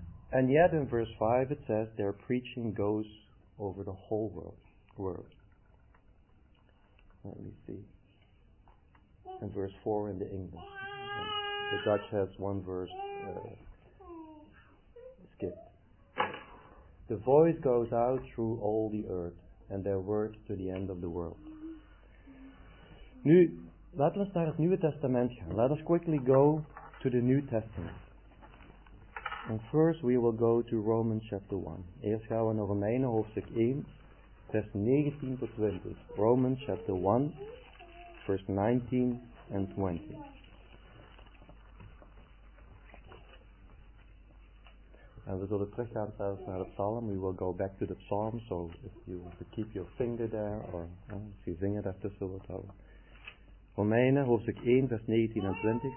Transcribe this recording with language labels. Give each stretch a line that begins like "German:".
English: And yet in verse 5 it says their preaching goes over the whole world. Let me see. In verse 4 in the English. And the Dutch has one verse skipped. The voice goes out through all the earth and their word to the end of the world.
Dutch: Nu, laten we naar het Nieuwe Testament gaan.
English: Let us quickly go to the New Testament. And first we will go to Romans chapter 1.
Dutch: Eerst gaan we naar Romeinen hoofdstuk 1, vers 19 tot 20.
English: Romans chapter 1, verse 19 and 20. And we will
Dutch: teruggaan zelfs naar de psalm.
English: We will go back to the psalm. So if you want to keep your finger there, or if you zing it after, so we'll tell.
Dutch: Romeinen, hoofdstuk 1, vers 19 en 20.